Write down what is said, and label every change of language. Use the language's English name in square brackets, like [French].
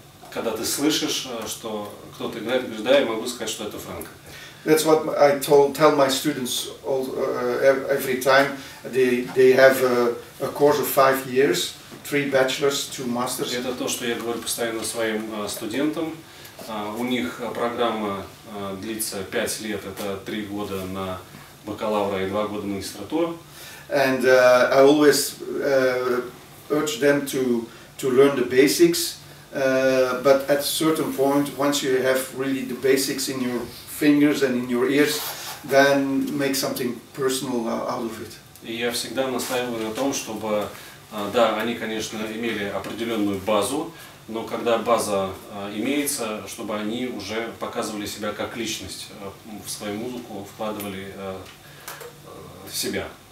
[Russian] Когда ты слышишь, что кто-то играет, говоришь, да, я могу сказать, что это Франк. [English] That's what I tell my students all, every time. They have a course of 5 years, 3 bachelors, 2 masters. [Russian] Это то, что я говорю постоянно своим студентам. У них программа длится 5 лет, это 3 года на бакалавра и 2 года магистратуру. [English] And I always urge them to learn the basics. But at a certain point, once you have really the basics in your fingers and in your ears, then make something personal out of it. [Russian] И я всегда настаиваю на том, чтобы, да, они, конечно, имели определенную базу, но когда база имеется, чтобы они уже показывали себя как личность, в свою музыку вкладывали себя.